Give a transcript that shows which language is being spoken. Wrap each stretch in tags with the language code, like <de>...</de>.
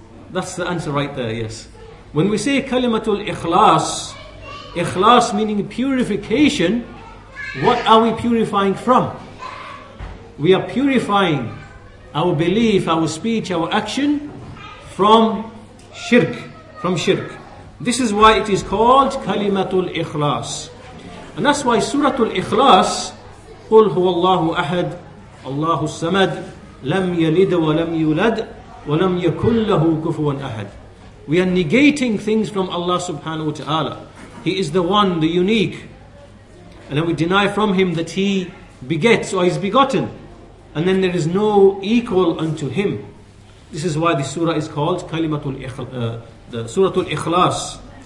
<en>That's the answer right there, yes. When we say kalimatul ikhlas, ikhlas meaning purification, what are we purifying from? We are purifying our belief, our speech, our action from shirk. From shirk. This is why it is called kalimatul ikhlas. And that's why suratul ikhlas,</en> <ar>قُلْ هُوَ اللَّهُ أَحَدْ اللَّهُ السَّمَدْ لَمْ يَلِدْ وَلَمْ يُولَدْ وَلَمْ يَكُلْ لَهُ كُفُوًا أَحَدْ.</ar> <en>We are negating things from Allah subhanahu wa ta'ala. He is the one, the unique. And then we deny from him that he begets or is begotten. And then there is no equal unto him. This is why the surah is called Kalimatul Ikhlas.</en>